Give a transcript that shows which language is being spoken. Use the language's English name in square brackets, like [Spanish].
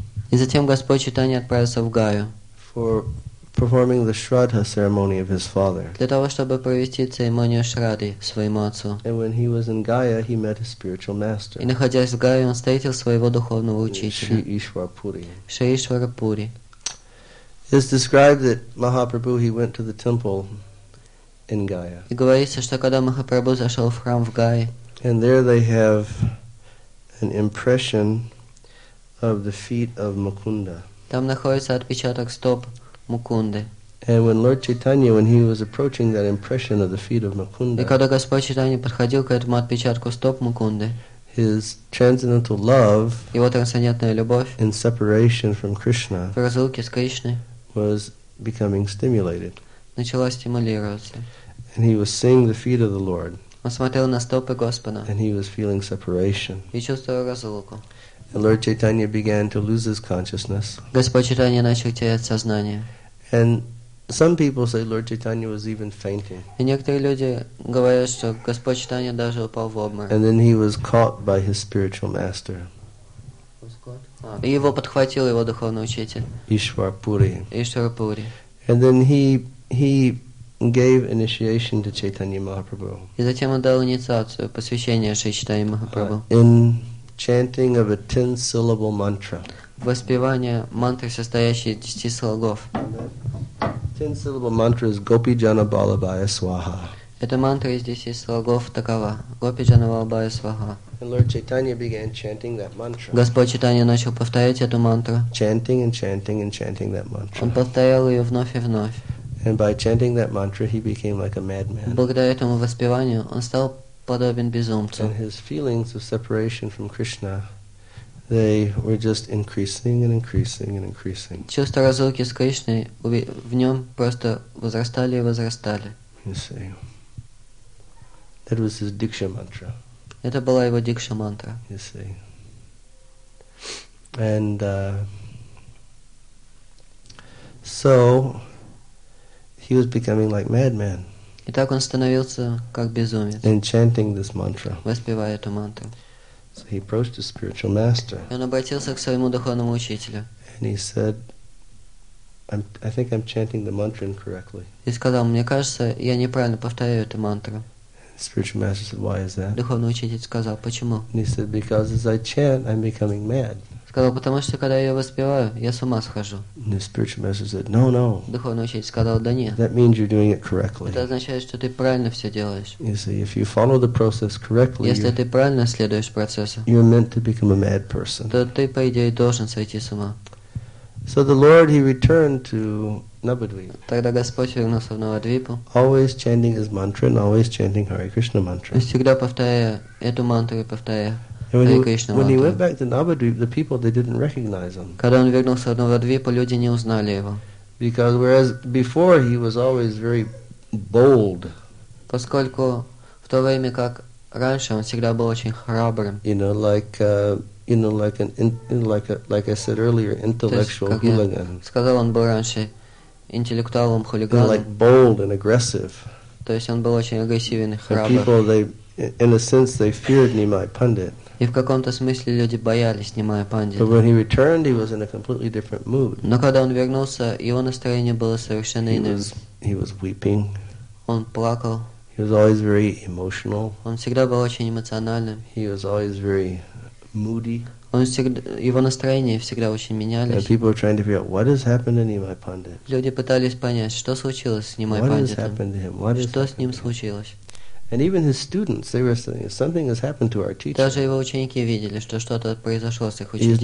[Russian] И затем Господь Чайтанья отправился в Гаю. [English] For performing the Shraddha ceremony of his father. [Russian] Для того, чтобы провести церемонию Шрадды своему отцу. [English] And when he was in Gaya, he met his spiritual master. [Russian] И находясь в Гае, он встретил своего духовного учителя. Шри Ишвара Пури. [English] It's described that Mahaprabhu, he went to the temple in Gaya. [Russian] И говорится, что когда Махапрабху зашел в храм в Гае. [English] And there they have an impression of the feet of Mukunda. [Russian] Там находится отпечаток стоп Мукунды. [English] And when Lord Chaitanya, when he was approaching that impression of the feet of Mukunda, [Russian] и когда Господь Чайтанья подходил к этому отпечатку стоп Мукунды, [English] his transcendental love, [Russian] его трансцендентная любовь, [English] in separation from Krishna, [Russian] в разлуке с Кришной, [English] was becoming stimulated. [Russian] Начала стимулироваться. [English] And he was seeing the feet of the Lord. [Russian] Он смотрел на стопы Господа. [English] And he was feeling separation. [Russian] И чувствовал разлуку. [English] And Lord Chaitanya began to lose his consciousness. [Russian] Господь Чайтанья начал терять сознание. [English] And some people say Lord Chaitanya was even fainting. [Russian] И некоторые люди говорят, что Господь Чайтанья даже упал в обморок. [English] And then he was caught by his spiritual master. [Russian] И его подхватил его духовный учитель. Ишвар Пури. [English] And then he gave initiation to Chaitanya Mahaprabhu. [Russian] И затем он дал инициацию, посвящение Шри Чайтанья Махапрабху. [English] In chanting of a 10-syllable mantra. [Russian] Воспевание мантры, состоящей из 10 слогов. [English] 10-syllable mantra is [Sanskrit] Gopi Jana Balabhaya Swaha. [Russian] Эта мантра из 10 слогов такова. [Sanskrit] Гопи Джана Балабхая Сваха. [English] And Lord Chaitanya began chanting that mantra. [Russian] Господь Чайтанья начал повторять эту мантру. [English] Chanting and chanting and chanting that mantra. [Russian] Он повторял ее вновь и вновь. [English] And by chanting that mantra, he became like a madman. [Russian] Благодаря этому воспеванию он стал подобен безумцу. [English] And his feelings of separation from Krishna, they were just increasing and increasing and increasing. [Russian] Чувства разлуки с Кришной в нем просто возрастали и возрастали. [English] You see. That was his Diksha mantra. [Russian] Это была его Диксха мантра. [English] You see. And so he was becoming like madman. [Russian] И так он становился как безумец. [English] In chanting this mantra. [Russian] Воспевая эту мантру. [English] So he approached his spiritual master. [Russian] И он обратился к своему духовному учителю. [English] And he said, I think I'm chanting the mantra incorrectly. [Russian] И сказал, мне кажется, я неправильно повторяю эту мантру. [English] Spiritual master said, why is that? [Russian] Духовный учитель сказал, почему? [English] And he said, because as I chant, I'm becoming mad. [Russian] Сказал, потому что когда я воспеваю, я с ума схожу. [English] The spiritual master said, no, no. [Russian] Духовный учитель сказал, да нет. [English] That means you're doing it correctly. [Russian] Это означает, что ты правильно все делаешь. [English] You see, if you follow the process correctly, [Russian] если ты правильно следуешь процессу, [English] you're meant to become a mad person. [Russian] То ты, по идее, должен сойти с ума. [English] So the Lord, he returned to Navadvipa. [Russian] Тогда Господь вернулся в Навадвипу. [English] Always chanting his mantra and always chanting Hare Krishna mantra. [Russian] И всегда повторяя эту мантру и повторяя. [English] When he went back to Navadvipa, the people, they didn't recognize him. [Russian] Когда он вернулся в Навадвипу, люди не узнали его. [English] Because whereas before he was always very bold. [Russian] Поскольку в то время, как раньше, он всегда был очень храбрым. [English] Like I said earlier, intellectual hooligan. [Russian] Сказал, он был раньше интеллектуалом хулиганом. [English] Like bold and aggressive. [Russian] То есть он был очень агрессивен и храбр. [English] People, they In a sense, they feared Nimai Pandit. [Russian] И в каком-то смысле люди боялись Нимая Пандита. [English] But when he returned, he was in a completely different mood. [Russian] Но когда он вернулся, его настроение было совершенно иным. [English] He was weeping. [Russian] Он плакал. [English] He was always very emotional. [Russian] Он всегда был очень эмоциональным. [English] He was always very moody. [Russian] Он всегда, его настроение всегда очень менялись. [English] And people were trying to figure out what has happened to Nimai Pandit. [Russian] Люди пытались понять, что случилось с Нимай Пандитом. [English] What has happened to him? What [Russian] что с ним случилось? [English] And even his students, they were saying, something has happened to our teacher. [Russian] Даже его ученики видели, что что-то произошло с их учителем.